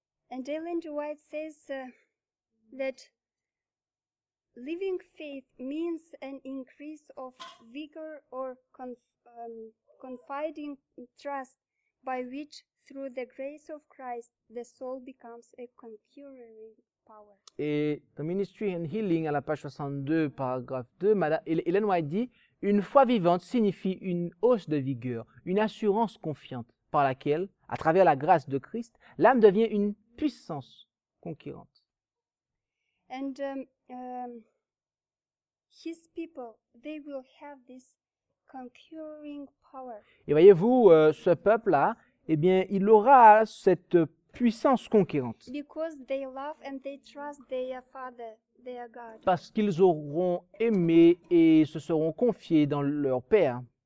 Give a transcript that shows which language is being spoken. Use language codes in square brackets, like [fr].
[en] And Ellen White says that living faith means an increase of vigor or confiding trust by which, through the grace of Christ, the soul becomes a conquering power. [fr] Et dans Ministry and Healing, à la page 62, paragraphe 2, Ellen White dit, une foi vivante signifie une hausse de vigueur, une assurance confiante, par laquelle, à travers la grâce de Christ, l'âme devient une puissance conquérante. [en] And his people, they will have this conquering power. [fr] Et voyez-vous, ce peuple-là, eh bien, il aura cette puissance conquérante. [en] Because they love and they trust their father, their God. [fr] Parce qu'ils auront aimé et se seront confiés dans leur Père.